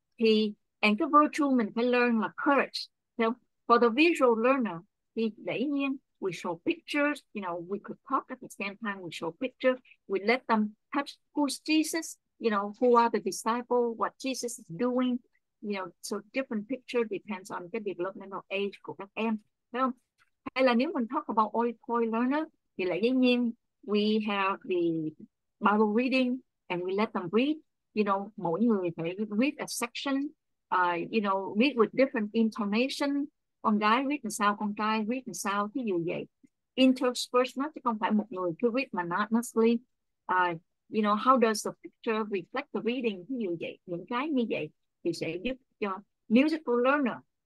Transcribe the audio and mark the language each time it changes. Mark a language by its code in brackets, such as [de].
[vi] Thì, and cái virtue mình phải [en] learn [vi] là courage, phải không? [en] For the visual learner, [vi] thì dĩ nhiên, [en] we show pictures, you know, we could talk at the same time, we show pictures, we let them touch who's Jesus, you know, who are the disciples, what Jesus is doing, you know, so different picture depends on the developmental age [vi] của các em, phải không? Hay là nếu mình [en] talk about auditory learner, [vi] thì lại dĩ nhiên, [en] we have the Bible reading, and we let them read. You know, [vi] mỗi người phải [en] read a section, you know, read with different intonation. [vi] Con gái read làm sao, con trai read làm sao, thí dụ vậy. Interspersonal, chứ không phải một người cứ read monotonously. [en] You know, how does the picture reflect the reading, [vi] thí dụ vậy. Những cái như vậy thì sẽ giúp cho musical learner.